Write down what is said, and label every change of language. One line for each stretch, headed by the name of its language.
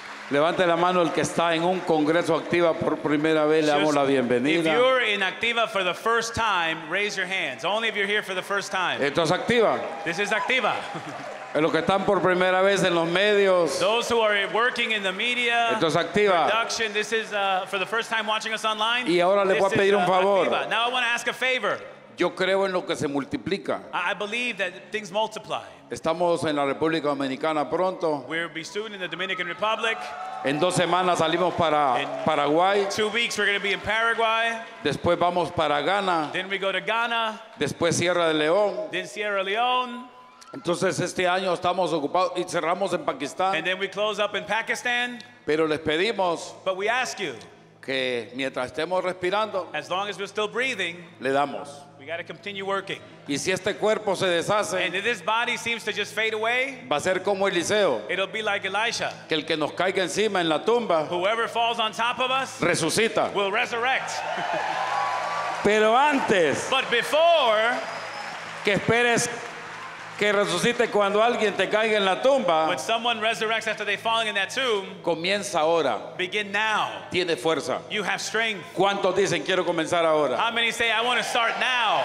Spanish: Levante la mano el que está en un congreso activa por primera vez, le damos la bienvenida.
English: If you're in activa for the first time, raise your hands. Only if you're here for the first time.
Spanish: Esto es activa.
English: This is activa.
Spanish: Los que están por primera vez en los medios.
English: Those who are working in the media.
Spanish: Esto es activa.
English: Production. This is for the first time watching us online.
Spanish: Y ahora le voy a pedir un favor.
English: Activa. Now I want to ask a favor.
Spanish: Yo creo en lo que se multiplica.
English: I believe that things multiply.
Spanish: Estamos en la República Dominicana pronto.
English: We'll be soon in the Dominican Republic.
Spanish: En dos semanas salimos para
English: in Paraguay. 2 weeks we're going to be in Paraguay.
Spanish: Después vamos para Ghana.
English: Then we go to Ghana.
Spanish: Después Sierra de León.
English: Then Sierra Leone.
Spanish: Entonces este año estamos ocupados y cerramos en Pakistán.
English: And then we close up in Pakistan.
Spanish: Pero les pedimos.
English: But we ask you.
Spanish: Que mientras estemos respirando.
English: As long as we're still breathing.
Spanish: Le damos.
English: We got to continue working.
Spanish: Y si este cuerpo se deshace,
English: and if this body seems to just fade away,
Spanish: va a ser como Eliseo,
English: it'll be like Elisha.
Spanish: Que el que nos caiga encima en la tumba,
English: whoever falls on top of us,
Spanish: resucita.
English: Will resurrect.
Spanish: Pero antes,
English: but before,
Spanish: que esperes que resucite cuando alguien te caiga en la tumba,
English: when someone resurrects after they fall in that tomb,
Spanish: comienza ahora.
English: Begin now.
Spanish: Tiene fuerza.
English: You have strength.
Spanish: ¿Cuántos dicen quiero comenzar ahora?
English: How many say I want to start now?